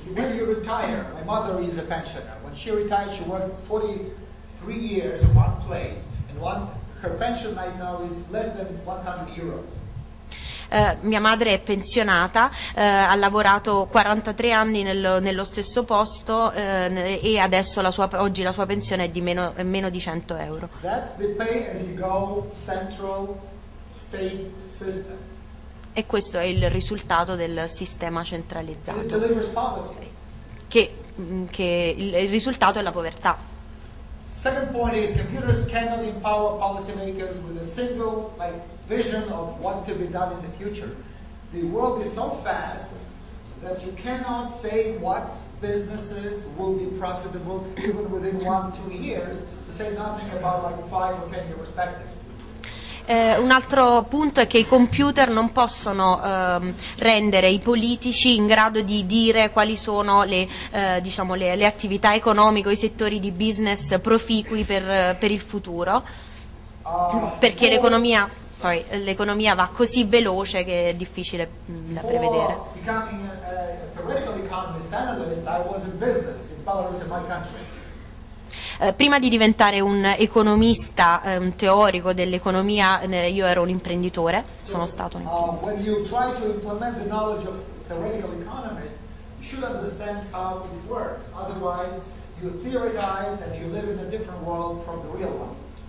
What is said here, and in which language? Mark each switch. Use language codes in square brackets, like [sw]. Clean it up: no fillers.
[en] When you retire, my mother is a pensioner. When she retired, she worked 43 years in one place, and one, her pension right now is less than 100 euros. [it] Mia madre è pensionata, ha lavorato 43 anni nel, nello stesso posto e adesso la sua, oggi la sua pensione è di meno, meno di 100 euro. [en] That's the pay as you go central state system. [it] E questo è il risultato del sistema centralizzato. [en] It delivers poverty. [it] Che il risultato è la povertà. [en] Second point is computers cannot empower policymakers with a single vision of what to be done in the future. The world is so fast that you cannot say what businesses will be profitable even within 1-2 years, to say nothing about like 5 or 10 years perspective. [it] Un altro punto è che i computer non possono rendere i politici in grado di dire quali sono le, diciamo, le attività economiche, i settori di business proficui per il futuro. Perché l'economia, [en] sorry, [it] l'economia va così veloce che è difficile da prevedere. [en] Before becoming a theoretical economist analyst, I was in business in Belarus in my country. [it] Prima di diventare un economista, un teorico dell'economia, io ero un imprenditore, sono stato un imprenditore. [en] When you try to implement the knowledge of theoretical economists, you should understand how it works. Otherwise, you theorize and you live in a different world from the real one.